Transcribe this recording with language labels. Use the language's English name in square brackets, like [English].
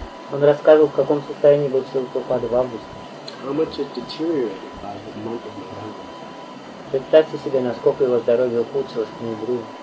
[Russian] Он рассказывал, в каком состоянии был Шрилы Прабхупада в августе. [English] How much it deteriorated by the month of November. [Russian] Представьте себе, насколько его здоровье ухудшилось к ноябрю.